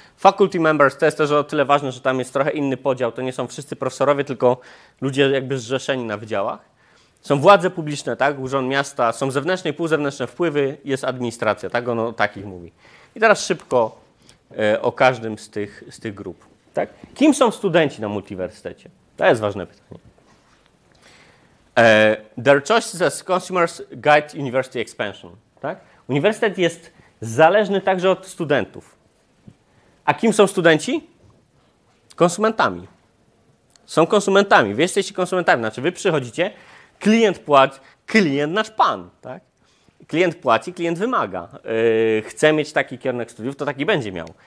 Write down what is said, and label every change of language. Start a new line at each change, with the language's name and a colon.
Polish: Faculty members, to jest też o tyle ważne, że tam jest trochę inny podział. To nie są wszyscy profesorowie, tylko ludzie jakby zrzeszeni na wydziałach. Są władze publiczne, tak? Urząd Miasta, są zewnętrzne i półzewnętrzne wpływy, jest administracja, tak? On o takich mówi. I teraz szybko o każdym z tych grup. Tak? Kim są studenci na multiwersytecie? To jest ważne pytanie.
English: Their choices as consumers guide university expansion.
Polish: Tak? Uniwersytet jest zależny także od studentów. A kim są studenci? Konsumentami. Są konsumentami. Wy jesteście konsumentami, znaczy wy przychodzicie. Klient płaci, klient nasz pan, tak? Klient płaci, klient wymaga. Chce mieć taki kierunek studiów, to taki będzie miał.